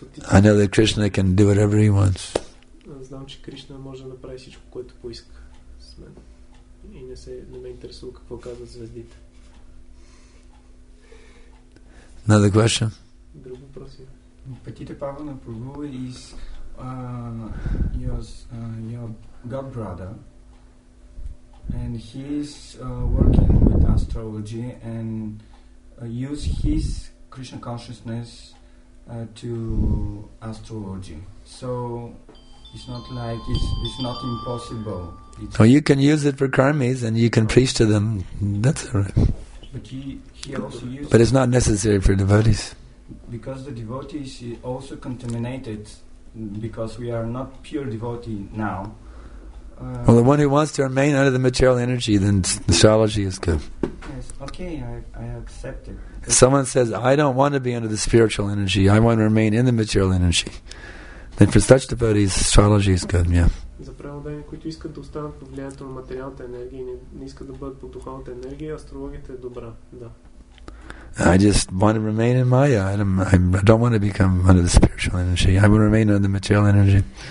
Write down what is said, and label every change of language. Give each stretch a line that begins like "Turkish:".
English: I know that Krishna can do whatever he wants.
Bulgarian: Знам, че Кришна може да направи всичко, което поиска с мен. И не ме интересува какво казват звездите.
English: Another question?
Bulgarian: Друг въпрос.
English: Петите Павана Прабу is your god brother, and he is working with astrology and use his Krishna consciousness to astrology. So it's not impossible. Well, you can use it for karmis and you can preach to them. That's all right. But he also uses. But it's not necessary for devotees. Because the devotees is also contaminated, because we are not pure devotee now. Well, the one who wants to remain under the material energy, then astrology is good. Yes, okay, I accept it. If someone says, I don't want to be under the spiritual energy, I want to remain in the material energy, then for such devotees, astrology is good, yeah.
Bulgarian: За преданите, които искат да останат под влиянието на материалната енергия и не искат да бъдат под духовната енергия, астрологията е добра, да.
English: I just want to remain in Maya. I don't want to become under the spiritual energy. I want to remain under the material energy.